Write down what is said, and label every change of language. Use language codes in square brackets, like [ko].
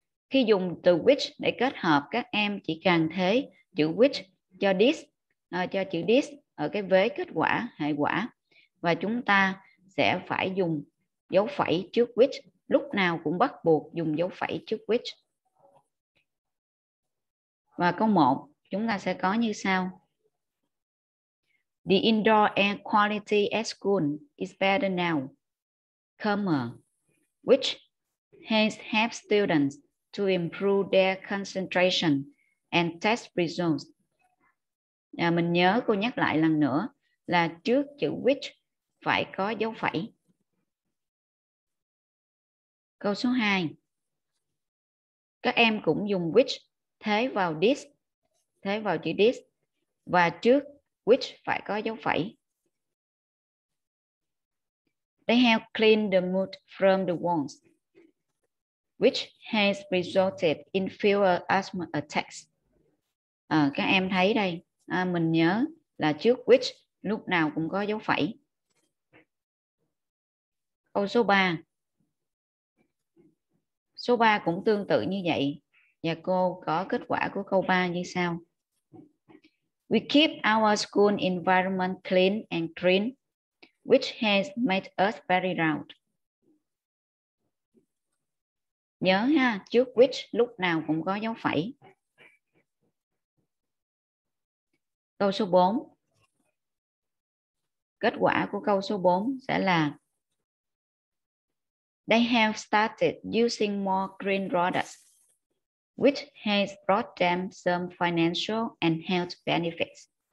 [vi] Khi dùng từ which để kết hợp, các em chỉ cần thế chữ which cho this, cho chữ this ở cái vế kết quả, hệ quả. Và chúng ta sẽ phải dùng dấu phẩy trước which, lúc nào cũng bắt buộc dùng dấu phẩy trước which. Và câu 1 chúng ta sẽ có như sau. [en] The indoor air quality at school is better now, comma, which has helped students to improve their concentration and test results. [vi] À, mình nhớ cô nhắc lại lần nữa là trước chữ which phải có dấu phẩy. Câu số 2. Các em cũng dùng which thế vào this, thế vào chữ this và trước which phải có dấu phẩy. [en] They have cleaned the mud from the walls, which has resulted in fewer asthma attacks. [vi] À, các em thấy đây, mình nhớ là trước which lúc nào cũng có dấu phẩy. Câu số 3. Số 3 cũng tương tự như vậy. Và cô có kết quả của câu 3 như sau. [en] We keep our school environment clean and green, which has made us very loud. [vi] Nhớ ha, trước which lúc nào cũng có dấu phẩy. Câu số 4. Kết quả của câu số 4 sẽ là [en] they have started using more green products, which has brought them some financial and health benefits.